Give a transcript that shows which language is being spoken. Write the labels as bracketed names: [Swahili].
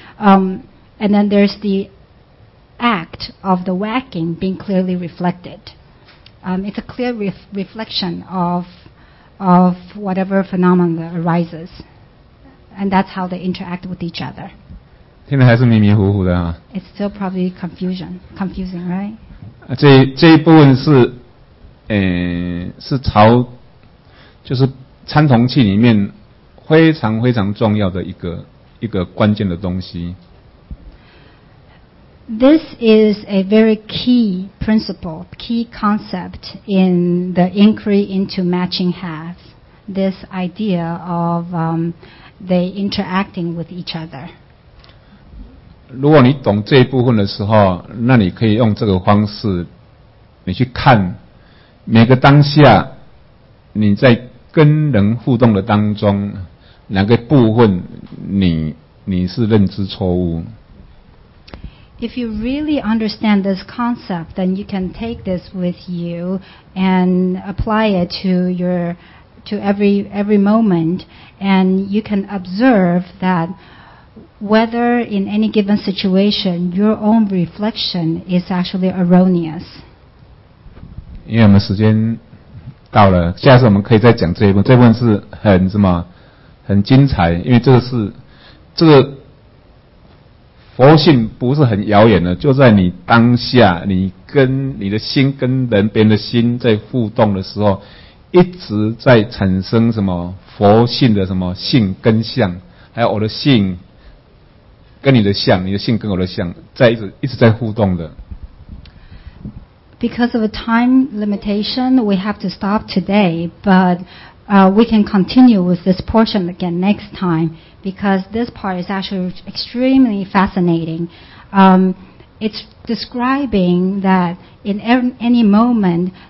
[English] And then there's the act of the whacking being clearly reflected. It's a clear reflection of whatever phenomenon arises. And that's how they interact with each other. [Chinese] 听得还是迷迷糊糊的啊。 [English] It's still probably confusing, right? [Chinese] 这一部分是，是朝，就是参同契里面非常非常重要的一个关键的东西。 [English] This is a very key principle, key concept in the inquiry into matching halves. This idea of they interacting with each other. [Chinese] 如果你懂这一部分的时候，那你可以用这个方式，你去看每个当下你在跟人互动的当中，哪个部分你是认知错误。 [English] If you really understand this concept, then you can take this with you and apply it to your. To every moment, and you can observe that whether in any given situation your own reflection is actually erroneous. [Chinese] 因为我们时间到了，下次我们可以再讲这一部分。这一部分是很什么，很精彩，因为这个佛性不是很遥远的，就在你当下，你跟你的心跟人别人的心在互动的时候。一直在产生什么佛性的什么性跟相，还有我的性跟你的相，你的性跟我的相，在一直在互动的。 [English] Because of a time limitation, we have to stop today, but we can continue with this portion again next time because this part is actually extremely fascinating. It's describing that in any moment.